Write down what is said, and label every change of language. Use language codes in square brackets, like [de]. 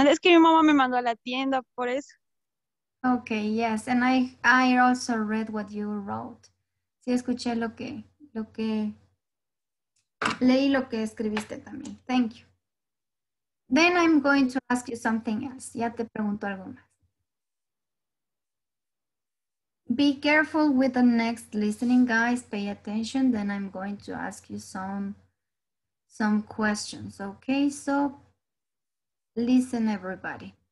[es] Es que mi mamá me mandó a la tienda por eso. [en] Okay, yes, and I also read what you wrote. [es] Sí, escuché lo que leí lo que escribiste también. [en] Thank you. Then I'm going to ask you something else. [es] Ya te pregunto algo más. [en] Be careful with the next listening, guys. Pay attention. Then I'm going to ask you some questions. Okay, so listen, everybody.